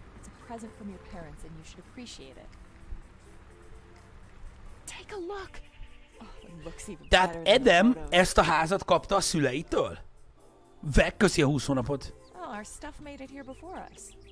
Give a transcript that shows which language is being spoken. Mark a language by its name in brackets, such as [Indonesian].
[English] It's a present from your parents and you should appreciate it. Take a look. Oh, it looks even better. [Hungarian] Tehát Adam ezt a házat kapta a szüleitől? Vek, köszi a 20 hónapot. [English] Oh, our stuff made it here before us.